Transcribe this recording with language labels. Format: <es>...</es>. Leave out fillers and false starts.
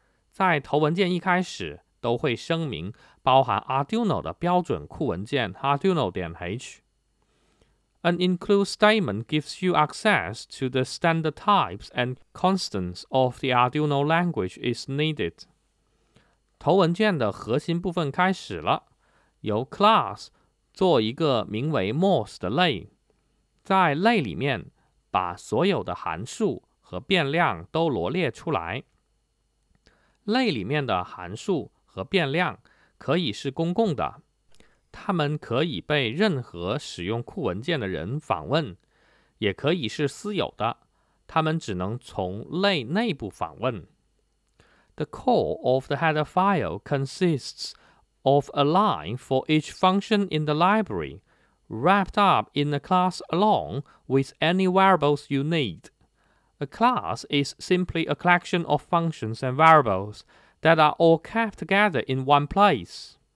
<zh>在头文件一开始都会声明包含 Arduino 的标准库文件 Arduino.h。</zh> <en>An include statement gives you access to the standard types and constants of the Arduino language is needed。</en> <zh>头文件的核心部分开始了，由 class 做一个名为 mos 的类，在类里面把所有的函数和变量都罗列出来。类里面的函数和变量可以是公共的，它们可以被任何使用库文件的人访问，也可以是私有的，它们只能从类内部访问。</zh> <en>The core of the header file consists of a line for each function in the library, wrapped up in a class along with any variables you need. A class is simply a collection of functions and variables that are all kept together in one place.</en>